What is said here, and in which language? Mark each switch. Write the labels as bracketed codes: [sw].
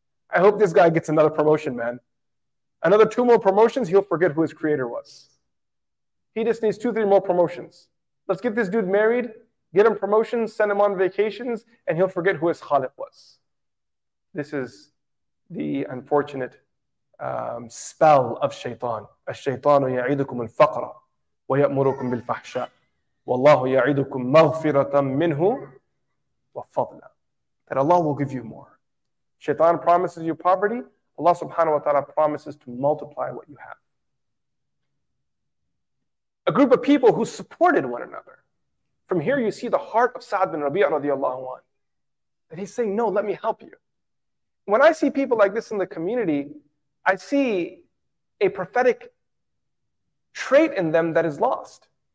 [en] I hope this guy gets another promotion, man. Another two more promotions, he'll forget who his creator was. He just needs 2-3 more promotions. Let's get this dude married, get him promotions, send him on vacations, and he'll forget who his Khalif was. This is the unfortunate spell of shaytan. [ar] الشيطان يعيدكم الفقر ويأمركم بالفحشاء والله يعيدكم مغفرة منه وفضلا. [en] That Allah will give you more. Shaytan promises you poverty. Allah subhanahu wa ta'ala promises to multiply what you have. A group of people who supported one another. From here you see the heart of Sa'd bin Rabi'ah radiallahu anhu. That he's saying, no, let me help you. When I see people like this in the community, I see a prophetic trait in them that is lost.